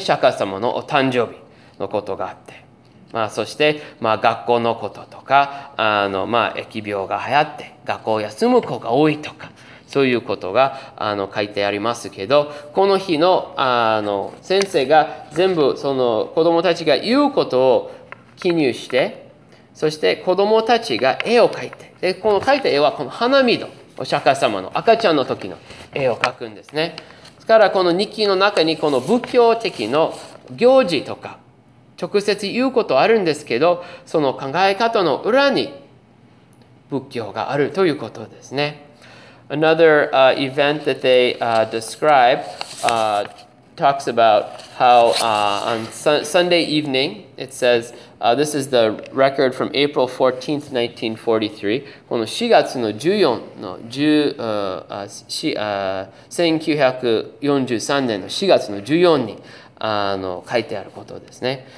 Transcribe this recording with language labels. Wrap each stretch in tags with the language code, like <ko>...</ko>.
<ja>釈迦様のお誕生日のことがあって。まあ、そして、まあ、学校のこととか、まあ、疫病が流行って学校を休む子が多いとか、そういうことが書いてありますけど、この日の先生が全部その子どもたちが言うことを記入して、そして子どもたちが絵を描いて、でこの描いた絵はこの花見のお釈迦様の赤ちゃんの時の絵を描くんですね。ですからこの日記の中にこの仏教的の行事とか直接言うことあるんですけど、その考え方の裏に仏教があるということですね。</ja> <en>Another event that they describe talks about how on Sunday evening, it says, this is the record from April 14th, 1943,</en> <ja>1943年の4月の14日に書いてあることですね。</ja>